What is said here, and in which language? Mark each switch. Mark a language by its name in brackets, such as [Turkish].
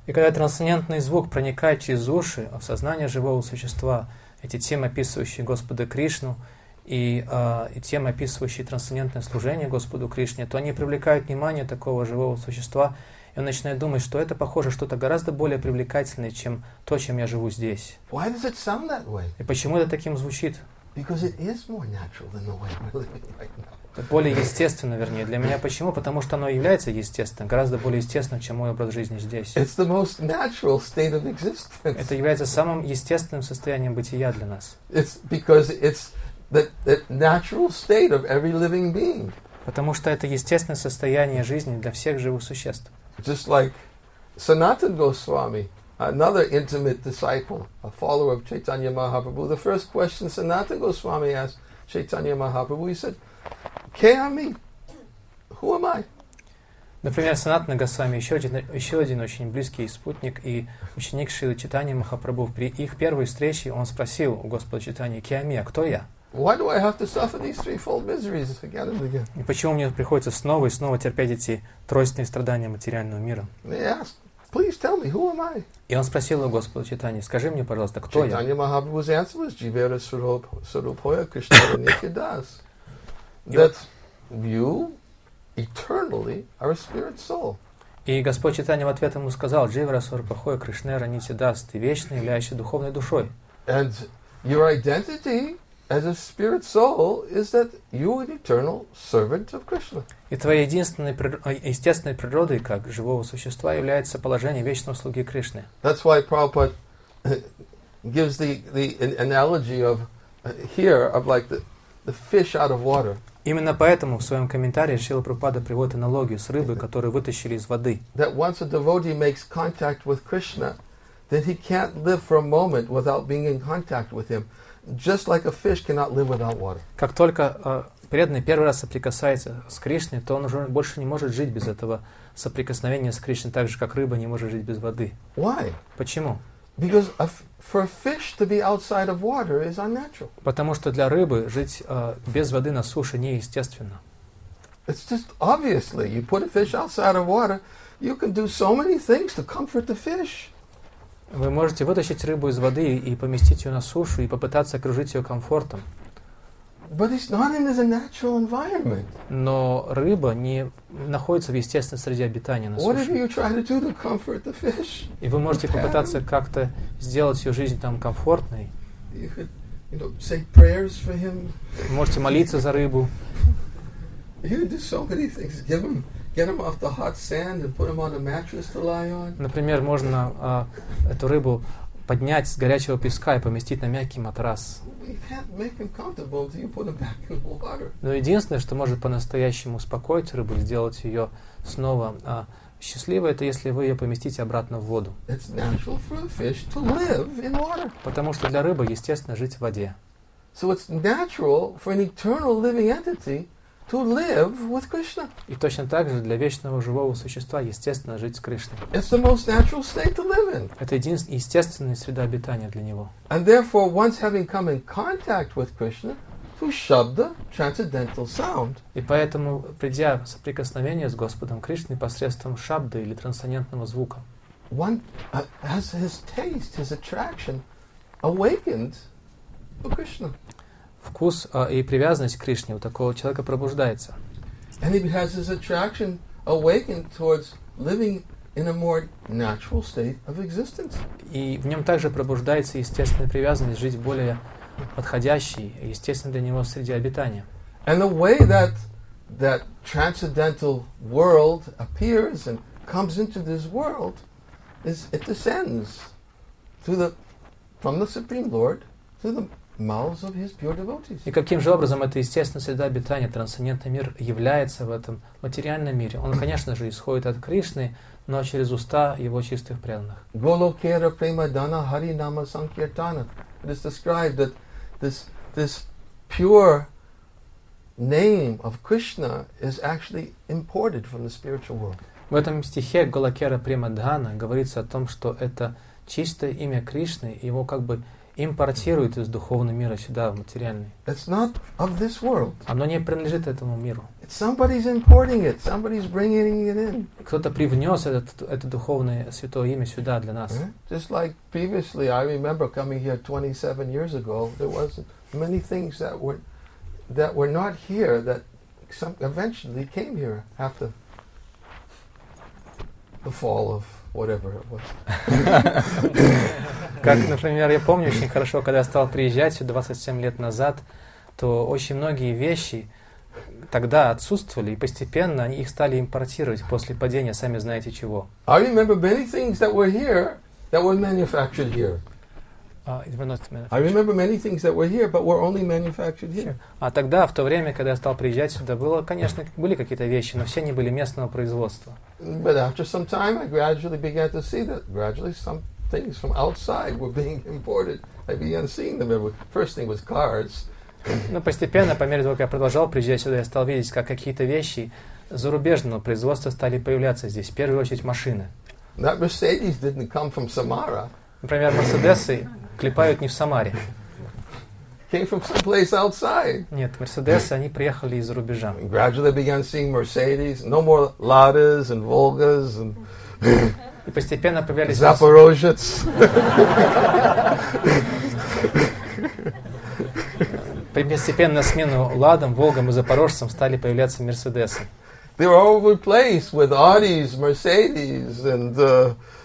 [Russian] И когда трансцендентный звук проникает через уши в сознание живого существа, эти темы, описывающие Господа Кришну, и темы, описывающие трансцендентное служение Господу Кришне, то они привлекают внимание такого живого существа, и он начинает думать, что это похоже что-то гораздо более привлекательное, чем то, чем я живу здесь. [English] Why does it sound that way? [Russian] И почему это таким звучит? [English] Because it is more natural than the way we're living right now. [Russian] Это более естественно, вернее, для меня. Почему? Потому что оно является естественным, гораздо более естественным, чем мой образ жизни здесь. [English] It's the most natural state of existence. [Russian] Это является самым естественным состоянием бытия для нас. [English] It's because it's the natural state of every living being. [Russian] Потому что это естественное состояние жизни для всех живых существ. [English] Just like Sanatana Goswami. Another intimate disciple, a follower of Chaitanya Mahaprabhu. The first question Sanatana Goswami asked Chaitanya Mahaprabhu, he said, Kehami, who am I? [Russian] Например, Санатана Госвами, еще один очень близкий спутник и ученик Шрилы Чайтаньи Махапрабху. При их первой встрече он спросил у Господа Чайтаньи: «Киамия, кто я?» [English] Why do I have to suffer these threefold miseries again and again? [Russian] И почему мне приходится снова и снова терпеть эти тройственные страдания материального мира? [English] They asked, please tell me, who am I? [Russian] И он спросил у Господа Чайтаньи: «Скажи мне, пожалуйста, кто я?» [English] Чайтанья Махапрабху's answer was [Bangla] Jivera Sarupaya Krishna Nityadas. [English] That you eternally are a spirit soul. [Russian] И Господь Чайтанья в ответ ему сказал: [Bangla] «Jivera Sarupaya Krishna Nityadas, [Russian] ты вечно являешься духовной душой». [English] And your identity as a spirit soul is that you are an eternal servant of Krishna. [Russian] И твоей единственной естественной природой как живого существа является положение вечного слуги Кришны. [English] That's why Prabhupada gives the analogy of here of like the fish out of water. [Russian] Именно поэтому в своем комментарии Шрила Прабхупада приводит аналогию с рыбой, которую вытащили из воды. [English] That once a devotee makes contact with Krishna, then he can't live for a moment without being in contact with him. Just like a fish cannot live without water. [Russian] Как только преданный первый раз соприкасается с Кришной, то он уже больше не может жить без этого соприкосновения с Кришной, так же как рыба не может жить без воды. [English] Why? [Russian] Почему? [English] Because for a fish to be outside of water is unnatural. [Russian] Потому что для рыбы жить без воды на суше неестественно. [English] It's just obviously you put a fish outside of water, you can do so many things to comfort the fish. [Russian] Вы можете вытащить рыбу из воды и поместить ее на сушу и попытаться окружить ее комфортом. [English] But it's not in a natural environment. [Russian] Но рыба не находится в естественной среде обитания на суше. [English] What have you tried to do to comfort the fish? [Russian] И вы можете попытаться как-то сделать ее жизнь там комфортной. [English] You could, you know, say prayers for him. [Russian] Вы можете молиться за рыбу. [English] You can do so many things. Give him. Get him off the hot sand and put him on a mattress to lie on. [Russian] Например, можно эту рыбу поднять с горячего песка и поместить на мягкий матрас. [English] You can't make him comfortable until you put him back in the water. [Russian] Но единственное, что может по-настоящему успокоить рыбу и сделать ее снова счастливой, это если вы ее поместите обратно в воду. [English] It's natural for a fish to live in water. [Russian] Потому что для рыбы естественно жить в воде. [English] So it's natural for an eternal living entity to live with Krishna. [Russian] И точно так же для вечного живого существа естественно жить с Кришной. [English] It's the most natural state to live in. [Russian] Это единственная естественная среда обитания для него. [English] And therefore, once having come in contact with Krishna, through shabda, transcendental sound. [Russian] И поэтому, придя в соприкосновение с Господом Кришной посредством шабды или трансцендентного звука, [English] one has his taste, his attraction awakened to Krishna. [Russian] Вкус и привязанность к Кришне у такого человека пробуждается. [English] And he has his attraction awakened towards living in a more natural state of existence. [Russian] И в нем также пробуждается естественная привязанность жить в более подходящей, естественной для него среде обитания. [English] And the way that that transcendental world appears and comes into this world is it descends from the Supreme Lord to the mouths of his pure devotees. [Russian] И каким же образом эта естественная среда обитания, трансцендентный мир, является в этом материальном мире? Он, конечно же, исходит от Кришны, но через уста его чистых преданных. [Bangla] Голокера премадана хари нама санкиртана. [English] It is described that this pure name of Krishna is actually imported from the spiritual world. [Russian] В этом стихе [Bangla] Голокера премадана [Russian] говорится о том, что это чистое имя Кришны, его как бы импортирует из духовного мира сюда, в материальный. [English] It's not of this world. [Russian] Оно не принадлежит этому миру. [English] It's somebody's importing it. Somebody's bringing it in. [Russian] Кто-то привнес это духовное святое имя сюда для нас. [English] Just like previously, I remember coming here 27 years ago, there was many things that were not here that some eventually came here after the fall of whatever it was. [Russian] Как, например, я помню очень хорошо, когда я стал приезжать сюда 27 лет назад, то очень многие вещи тогда отсутствовали, и постепенно они их стали импортировать после падения, сами знаете чего. [English] I remember many things that were here that were manufactured here. I remember many things that were here, but were only manufactured here. [Russian] А тогда, в то время, когда я стал приезжать сюда, было, конечно, были какие-то вещи, но все они были местного производства. [English] But after some time, I gradually began to see that gradually some things from outside were being imported. I began seeing them. First thing was cars. [Russian] Но постепенно, по мере того, как я продолжал приезжать сюда, я стал видеть, как какие-то вещи зарубежного производства стали появляться здесь, в первую очередь машины. [English] That Mercedes didn't come from Samara. [Russian] Например, Мерседесы клепают не в Самаре. [English] Came from someplace outside. [Russian] Нет, Мерседесы, они приехали из-за рубежа. [English] Gradually began seeing Mercedes, no more Ladas and Volgas and... [Russian] И постепенно появились... Запорожец. Постепенно смену Ладам, Волгам и Запорожцам стали появляться Мерседесы. [English] They were all replaced with Audis, Mercedes and...